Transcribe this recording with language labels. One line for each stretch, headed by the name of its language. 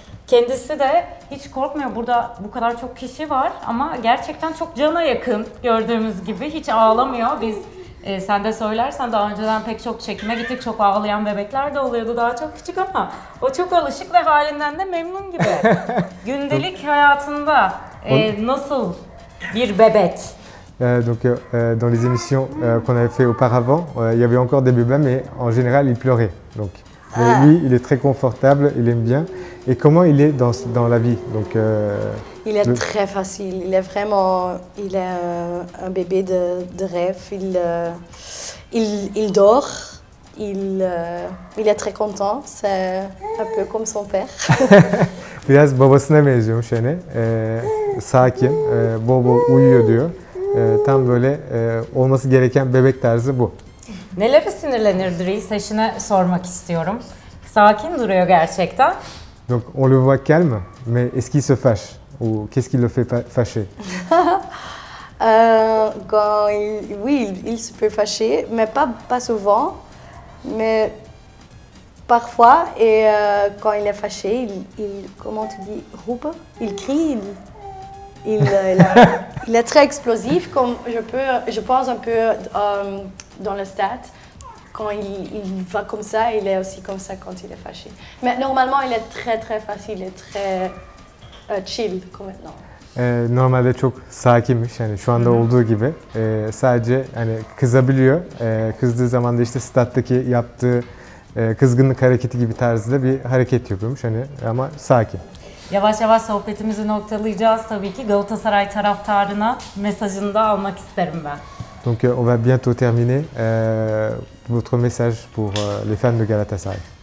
Turkish: Kendisi de hiç korkmuyor. Burada bu kadar çok kişi var ama gerçekten çok cana yakın gördüğümüz gibi. Hiç ağlamıyor. Biz sen de söylersen daha önceden pek çok çekime gittik. Çok ağlayan bebekler de oluyordu. Daha çok küçük ama o çok alışık ve halinden de memnun gibi. Gündelik hayatında nasıl bir bebek?
French: Dans les émissions qu'on avait fait auparavant, il y avait encore des bébés, mais en général, il pleurait. Donc, mais lui, il est très confortable, il aime bien. Et comment il est dans la vie? Il est très facile. Il est un bébé de rêve. Il dort. Il est très content. C'est un peu comme son père.
Turkish: Biraz babasına benziyormuş hani. Sakin, bol uyuyor diyor. Tam böyle olması gereken bebek tarzı bu. Nelere sinirlenir Dries? Eşine sormak istiyorum. Sakin duruyor gerçekten.
French: Donc on le voit calme, mais est-ce qu'il se fâche ou qu'est-ce qui le fait fâcher? il se peut fâcher, mais pas souvent, mais parfois. Et quand il est fâché, il comment tu dis, roupe, il crie. Il est très explosif, comme je pense un peu dans le stade. Quand il va comme ça, il est aussi comme ça quand il est fâché. Mais normalement, il est très très facile, il est très chill maintenant.
Turkish: Normalde çok sakinmiş hani şu anda olduğu gibi. Sadece hani kızabiliyor. Kızdığı zaman da işte stat'taki yaptığı kızgınlık hareketi gibi tarzda bir hareket yapıyormuş hani ama sakin. Yavaş yavaş sohbetimizi noktalayacağız tabii ki. Galatasaray taraftarına mesajını da almak isterim ben.
French: Donc on va bientôt terminer votre message pour les fans de Galatasaray.